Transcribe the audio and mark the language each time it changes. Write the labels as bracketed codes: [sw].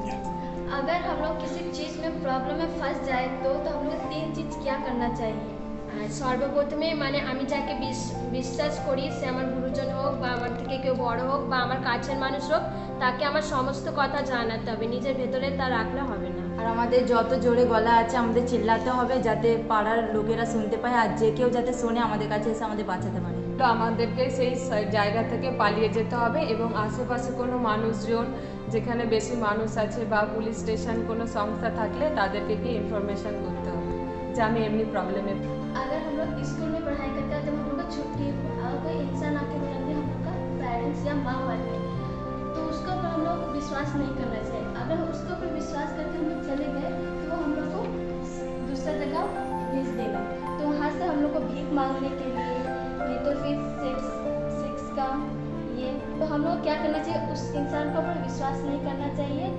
[hi] Problem में फंस जाए तो हम लोग तीन चीज क्या करना चाहिए? [bn] সর্বপ্রথমে মানে আমি যাকে বিশ্বাস করি, সে আমার গুরুজন হোক বা আমার থেকে কেউ বড় হোক বা আমার কাছের মানুষ হোক, তাকে আমার সমস্ত কথা জানাতে হবে, নিজের ভেতরে তা রাখলে হবে না। আর আমাদের যত জোরে গলা আছে আমাদের চিল্লাতে হবে, যাতে পাড়ার লোকেরা শুনতে পায়, আর যে কেউ যাতে শোনে আমাদের কাছে এসে আমাদের বাঁচাতে পারে। তো আমাদেরকে সেই জায়গা থেকে পালিয়ে যেতে হবে, এবং আশেপাশে কোনো মানুষজন যেখানে বেশি মানুষ আছে বা পুলিশ স্টেশন কোনো সংস্থা থাকলে তাদেরকে কি ইনফরমেশন করতে হবে যে আমি এমনি প্রবলেমে। [hi] अगर हम लोग स्कूल में पढ़ाई करते हैं तो हम लोग का छुट्टी अगर कोई इंसान आके मिलेंगे हम लोग का पेरेंट्स या माँ वाले, तो उसके ऊपर हम लोग विश्वास नहीं करना चाहिए। अगर उसके ऊपर विश्वास करके हम लोग चले गए तो वो हम लोग को दूसरा जगह भेज देगा, तो वहाँ से हम लोग को भीख मांगने के लिए नहीं तो फिर सेक्स का ये, तो हम लोग क्या करना चाहिए, उस इंसान के ऊपर विश्वास नहीं करना चाहिए।